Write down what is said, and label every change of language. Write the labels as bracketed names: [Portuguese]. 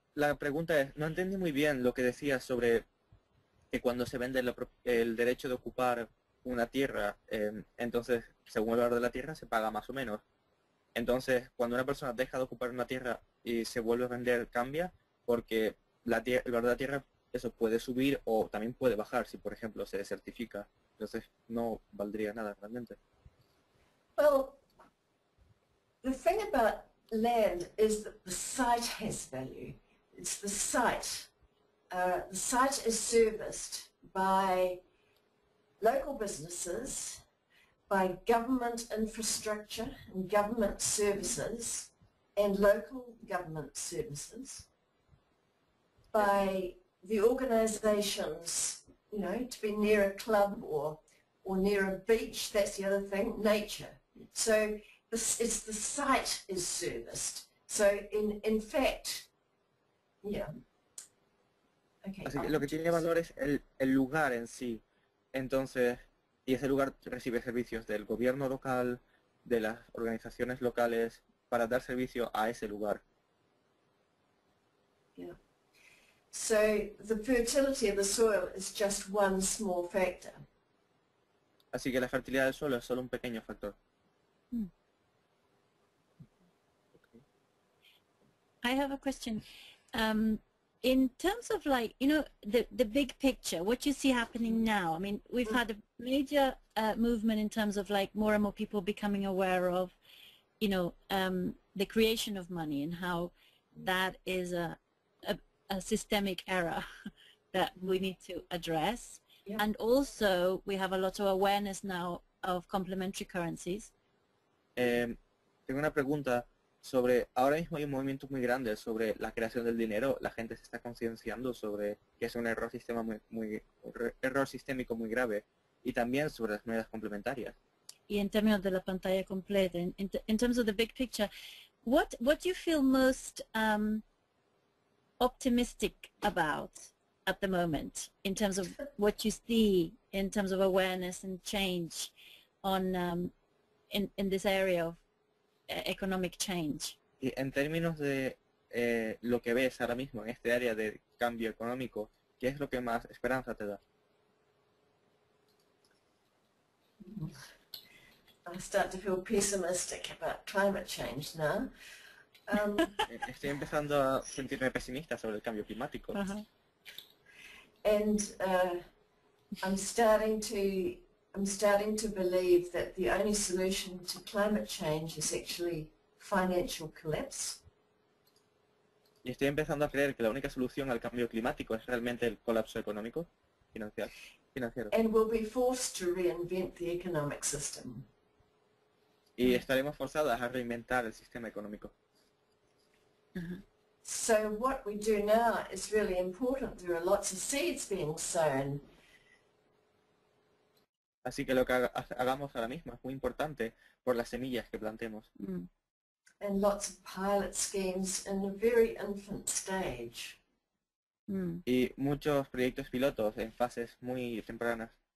[Spanish] La pregunta es, no entendí muy bien lo que decías sobre que cuando se vende el derecho de ocupar una tierra, entonces, según el valor de la tierra, se paga más o menos. Entonces, cuando una persona deja de ocupar una tierra y se vuelve a vender, cambia, porque el valor de la tierra, eso puede subir o también puede bajar si, por ejemplo, se desertifica. Entonces, no valdría nada realmente. [English] Well, the thing about land is that the site has value. It's the site. The site is serviced by local businesses, by government infrastructure and government services, and local government services, by the organizations, you know, to be near a club or near a beach, that's the other thing, nature. So this is the site is serviced. So in fact, yeah. [Spanish] Okay, así que lo que tiene valor es el lugar en sí, entonces, y ese lugar recibe servicios del gobierno local, de las organizaciones locales, para dar servicio a ese lugar. [English] Yeah. So, the fertility of the soil is just one small factor. [Spanish] Así que la fertilidad del suelo es solo un pequeño factor. Hmm. [English] I have a question. In terms of, like, you know, the big picture, what you see happening now, I mean, we've had a major movement in terms of, like, more and more people becoming aware of, you know, the creation of money and how that is a systemic error that we need to address. Yeah. And also, we have a lot of awareness now of complementary currencies. [Spanish] Tengo una pregunta. Sobre ahora mismo hay un movimiento muy grande sobre la creación del dinero, la gente se está concienciando sobre que es un error sistema error sistémico muy grave, y también sobre las monedas complementarias. Y en términos de la pantalla completa, [English] in terms of the big picture, what do you feel most optimistic about at the moment in terms of what you see in terms of awareness and change on in this area of economic change? [Spanish] Y en términos de lo que ves ahora mismo en este área de cambio económico, ¿qué es lo que más esperanza te da? [English] I start to feel pessimistic about climate change now. [Spanish] Estoy empezando a sentirme pesimista sobre el cambio climático. Uh-huh. [English] And I'm starting to believe that the only solution to climate change is actually financial collapse. [Spanish] Y estoy empezando a creer que la única solución al cambio climático es realmente el colapso económico, financiero. [English] And we'll be forced to reinvent the economic system. [Spanish] Y estaremos forzadas a reinventar el sistema económico. [English] So what we do now is really important. There are lots of seeds being sown. [Spanish] Así que lo que hagamos ahora mismo es muy importante por las semillas que plantemos. Mm. [English] And lots of pilot schemes in a very infant stage. Mm. [Spanish] Y muchos proyectos pilotos en fases muy tempranas.